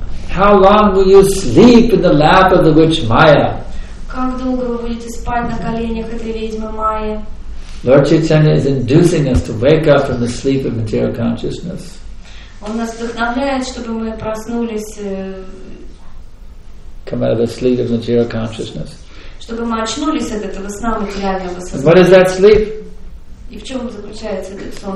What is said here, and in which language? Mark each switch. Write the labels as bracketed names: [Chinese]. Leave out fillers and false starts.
[English] How long will you sleep in the lap of the witch Maya? [Russian] Как долго вы будете спать на коленях этой ведьмы Майи? [English] Lord Chaitanya is inducing us to wake up from the sleep of material consciousness. [Russian] Он нас вдохновляет, чтобы мы проснулись. [English] Come out of the sleep of material consciousness. [Russian] Чтобы мы очнулись от этого сна материального сознания. [English] What is that sleep? [Russian] И в чем заключается этот сон?